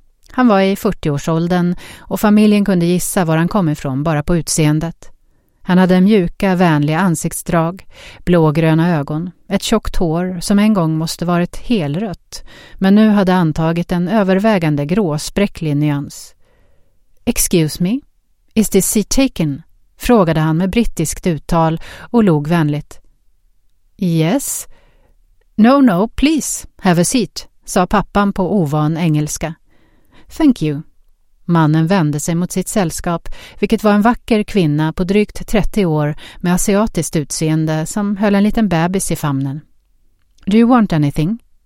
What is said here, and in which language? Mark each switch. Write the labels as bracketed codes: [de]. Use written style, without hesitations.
[sv] Han var i 40-årsåldern och familjen kunde gissa var han kom ifrån bara på utseendet. Han hade mjuka, vänliga ansiktsdrag, blågröna ögon, ett tjockt hår som en gång måste varit helrött, men nu hade antagit en övervägande gråspräcklig nyans. [en] "Excuse me, is this seat taken?" [sv] frågade han med brittiskt uttal och log vänligt. [en] "Yes, no, no, please have a seat", [sv] sa pappan på ovan engelska. [en] "Thank you." [sv] Mannen vände sig mot sitt sällskap, vilket var en vacker kvinna på drygt 30 år med asiatiskt utseende som höll en liten bebis i famnen. [en] "Do you want anything?"